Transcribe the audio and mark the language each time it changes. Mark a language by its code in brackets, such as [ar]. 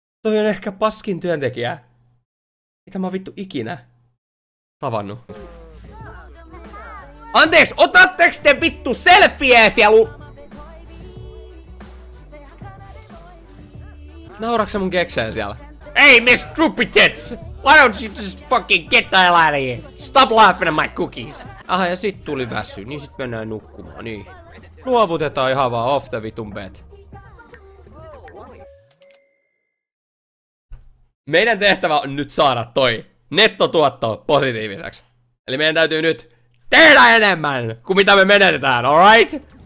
[fi] Toi on ehkä paskin työntekijä. Mitä mä oon vittu ikinä tavannu? Anteeks, otatteks te vittu selfieä sielu? Nauraaks sä mun kekseen siellä? [en] Hey, Miss Droopy Tits! Why don't you just fucking get the hell out of here? Stop laughing at my cookies! [fi] Aha, ja sit tuli väsy, niin sit mennään nukkumaan, niin. Luovutetaan ihan vaan [en] off the [fi] vitun [en] bed. [fi] Meidän tehtävä on nyt saada toi nettotuotto positiiviseksi. Eli meidän täytyy nyt tehdä enemmän kuin mitä me menetetään, alright?